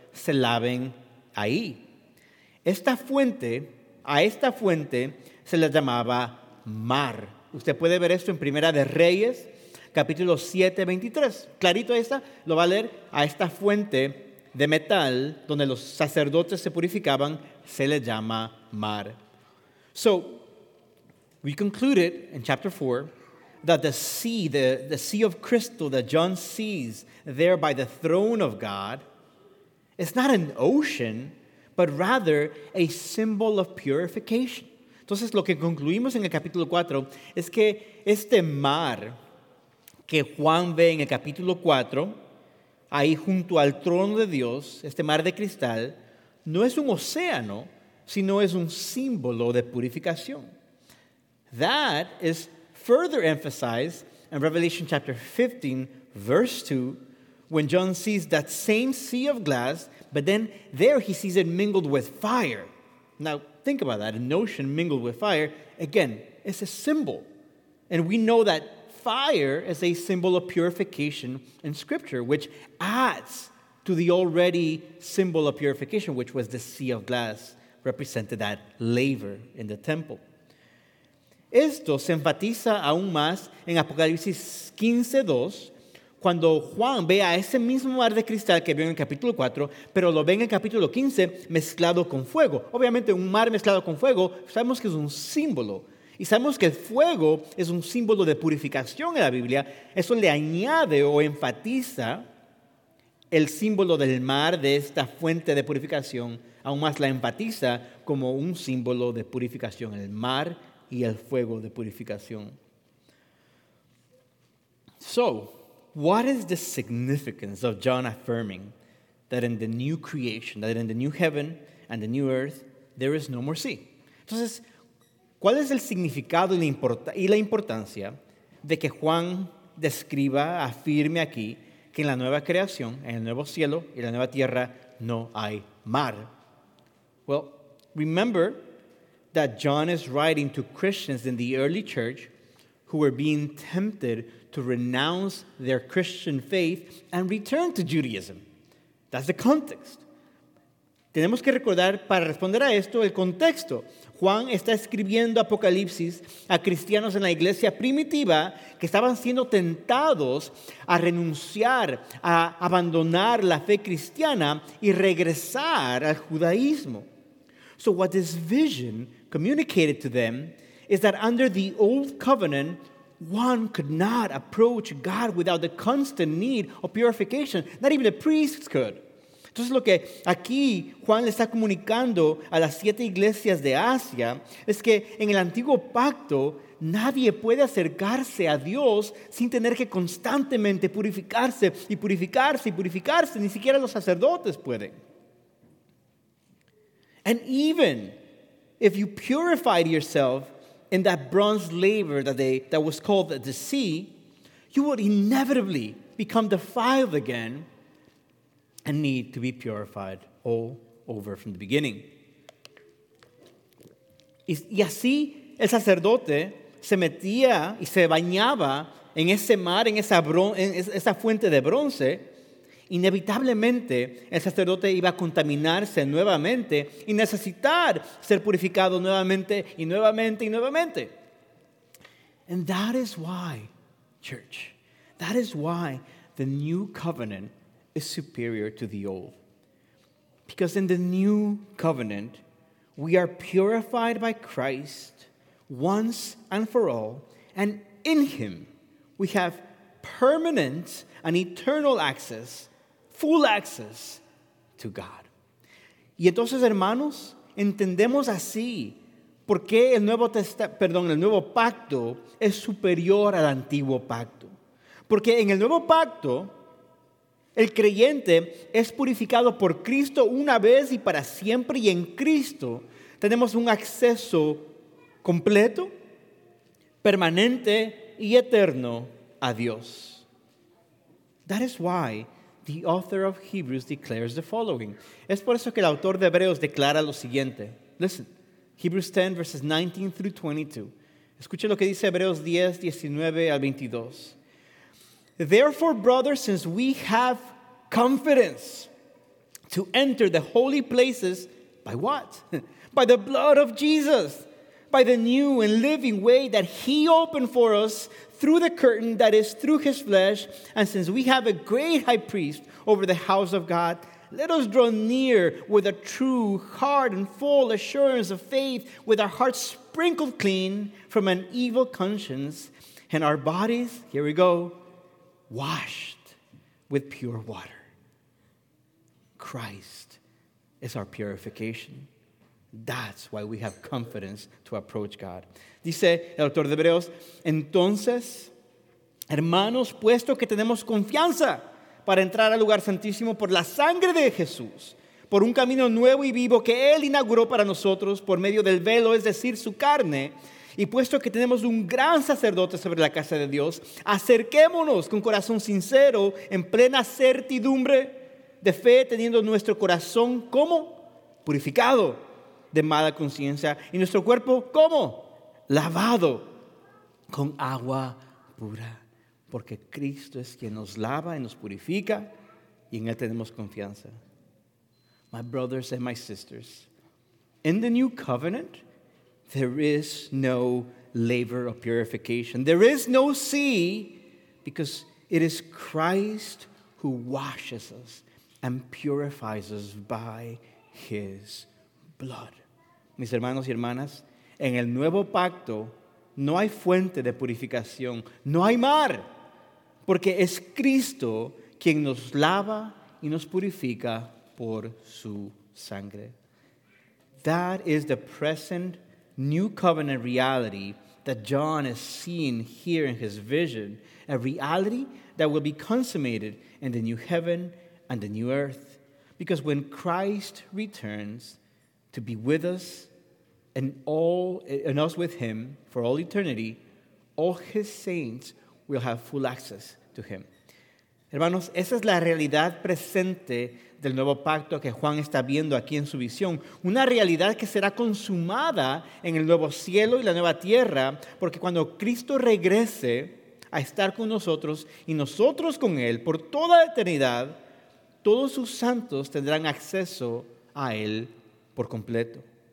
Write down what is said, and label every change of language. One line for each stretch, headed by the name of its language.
Spanish: se laven ahí. A esta fuente se la llamaba mar. Usted puede ver esto en Primera de Reyes, capítulo 7, 23. Clarito ahí está, lo va a leer. A esta fuente de metal donde los sacerdotes se purificaban se le llama mar.
English: So, we concluded in chapter 4 that the sea, the sea of crystal that John sees there by the throne of God, is not an ocean, but rather a symbol of purification.
Spanish: Entonces, lo que concluimos en el capítulo 4 es que este mar que Juan ve en el capítulo 4, ahí junto al trono de Dios, este mar de cristal, no es un océano, sino es un símbolo de purificación.
English: That is further emphasized in Revelation chapter 15, verse 2, when John sees that same sea of glass, but then there he sees it mingled with fire. Now, think about that, an ocean mingled with fire. Again, it's a symbol. And we know that fire is a symbol of purification in Scripture, which adds to the already symbol of purification, which was the sea of glass, represented that laver in the temple.
Spanish: Esto se enfatiza aún más en Apocalipsis 15:2, cuando Juan ve a ese mismo mar de cristal que vio en el capítulo 4, pero lo ve en el capítulo 15 mezclado con fuego. Obviamente, un mar mezclado con fuego, sabemos que es un símbolo. Y sabemos que el fuego es un símbolo de purificación en la Biblia. Eso le añade o enfatiza el símbolo del mar de esta fuente de purificación. Aún más la enfatiza como un símbolo de purificación, el mar y el fuego de purificación.
English: So, what is the significance of John affirming that in the new creation, that in the new heaven and the new earth, there is no more sea?
Spanish: Entonces, ¿cuál es el significado y la importancia de que Juan describa, afirme aquí, que en la nueva creación, en el nuevo cielo y la nueva tierra, no hay mar?
English: Well, remember that John is writing to Christians in the early church who were being tempted to renounce their Christian faith and return to Judaism. That's the context.
Spanish: Tenemos que recordar, para responder a esto, el contexto. Juan está escribiendo Apocalipsis a cristianos en la iglesia primitiva que estaban siendo tentados a renunciar, a abandonar la fe cristiana y regresar al judaísmo.
English: So what this vision communicated to them is that under the old covenant, one could not approach God without the constant need of purification. Not even the priests could.
Spanish: Entonces, lo que aquí Juan le está comunicando a las siete iglesias de Asia es que en el antiguo pacto nadie puede acercarse a Dios sin tener que constantemente purificarse y purificarse y purificarse. Ni siquiera los sacerdotes pueden.
English: And even if you purified yourself in that bronze laver that was called the sea, you would inevitably become defiled again and need to be purified all over from the beginning.
Spanish: Y así el sacerdote se metía y se bañaba en ese mar, en esa fuente de bronce. Inevitablemente, el sacerdote iba a contaminarse nuevamente y necesitar ser purificado nuevamente y nuevamente y nuevamente.
English: And that is why, church, that is why the new covenant is superior to the old. Because in the new covenant, we are purified by Christ once and for all, and in him, we have permanent and eternal access, full access to God.
Spanish: Y entonces, hermanos, entendemos así por qué el nuevo pacto es superior al antiguo pacto. Porque en el nuevo pacto, el creyente es purificado por Cristo una vez y para siempre, y en Cristo tenemos un acceso completo, permanente y eterno a Dios.
English: That is why the author of Hebrews declares the following.
Spanish: Es por eso que el autor de Hebreos declara lo siguiente.
English: Listen, Hebrews 10, verses 19 through 22.
Spanish: Escuche lo que dice Hebreos 10, 19 al 22.
English: Therefore, brothers, since we have confidence to enter the holy places by what? By the blood of Jesus, by the new and living way that he opened for us through the curtain that is through his flesh. And since we have a great high priest over the house of God, let us draw near with a true heart and full assurance of faith, with our hearts sprinkled clean from an evil conscience, and our bodies, here we go, washed with pure water. Christ is our purification. That's why we have confidence to approach God.
Spanish: Dice el autor de Hebreos, entonces, hermanos, puesto que tenemos confianza para entrar al lugar santísimo por la sangre de Jesús, por un camino nuevo y vivo que Él inauguró para nosotros por medio del velo, es decir, su carne, y puesto que tenemos un gran sacerdote sobre la casa de Dios, acerquémonos con corazón sincero, en plena certidumbre de fe, teniendo nuestro corazón, ¿cómo? Purificado de mala conciencia. Y nuestro cuerpo, ¿cómo? Lavado con agua pura. Porque Cristo es quien nos lava y nos purifica, y en Él tenemos confianza.
English: My brothers and my sisters, in the new covenant, there is no laver of purification. There is no sea, because it is Christ who washes us and purifies us by His blood.
Spanish: Mis hermanos y hermanas, en el nuevo pacto no hay fuente de purificación, no hay mar. Porque es Cristo quien nos lava y nos purifica por su sangre.
English: That is the present new covenant reality that John is seeing here in his vision. A reality that will be consummated in the new heaven and the new earth. Because when Christ returns to be with us and all and us with him for all eternity, all his saints will have full access to him.
Spanish: Hermanos, esa es la realidad presente del nuevo pacto que Juan está viendo aquí en su visión. Una realidad que será consumada en el nuevo cielo y la nueva tierra, porque cuando Cristo regrese a estar con nosotros y nosotros con Él por toda la eternidad, todos sus santos tendrán acceso a Él por completo.